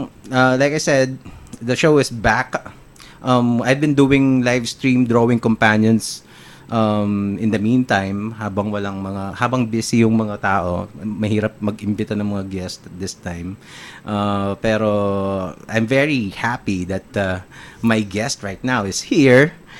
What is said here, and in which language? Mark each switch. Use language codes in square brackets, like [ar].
[en] Like I said, the show is back. I've been doing live stream drawing companions in the meantime, [tl] habang busy yung mga tao. Mahirap mag-imbita ng mga guest [en] this time. Pero, I'm very happy that my guest right now is here.